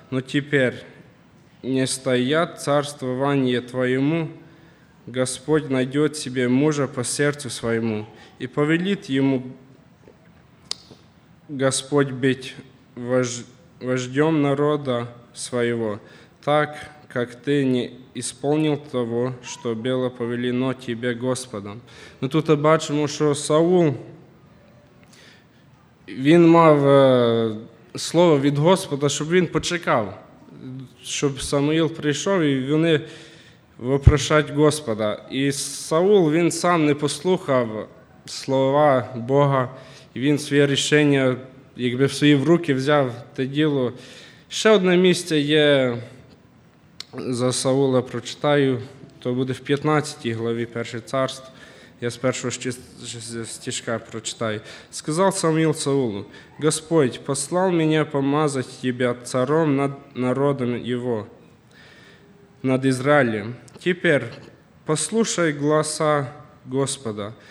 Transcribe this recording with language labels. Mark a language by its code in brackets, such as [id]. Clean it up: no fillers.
[ru] Но теперь не стоят царствование твоему, Господь найдет себе мужа по сердцу своему и повелит ему Господь быть вождем народа своего, так, как ты не исполнил того, что было повелено тебе Господом. [uk] Ну, тут бачимо, що Саул, він мав слово від Господа, щоб він почекав, щоб Самуїл прийшов, і вони вопрошать Господа. І Саул, він сам не послухав слова Бога, і він своє рішення якби в свої руки взяв те діло. Ще одне місце є за Саула, прочитаю, то буде в 15 главі Перше царство. Я з першого стишка прочитаю. Сказав Самуїл Саулу, Господь послав мене помазати тебе царом над народом його, над Ізраїлем. Тепер послушай голоса Господа.